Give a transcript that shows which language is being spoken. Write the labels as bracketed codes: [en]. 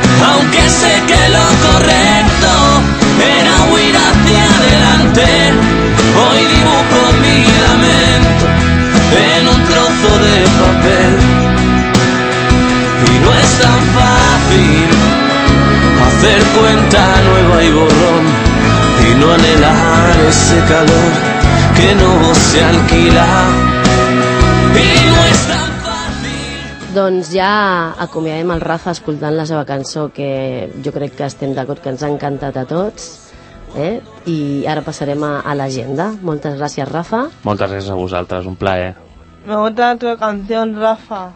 [es] Aunque sé que lo correcto era huir hacia adelante, hoy dibujo mi lamento en un trozo de papel. No es tan fácil hacer cuenta nueva y borrón, y no anhelar ese calor que no se alquila. Y no es tan fácil. [ca] Doncs ja acomiadem el Rafa escoltant la seva cançó, que jo crec que estem d'acord que ens ha encantat a tots, eh? I ara passarem a l'agenda. Moltes gràcies, Rafa. Moltes gràcies a vosaltres, un plaer. [es] Me gusta tu canción, Rafa.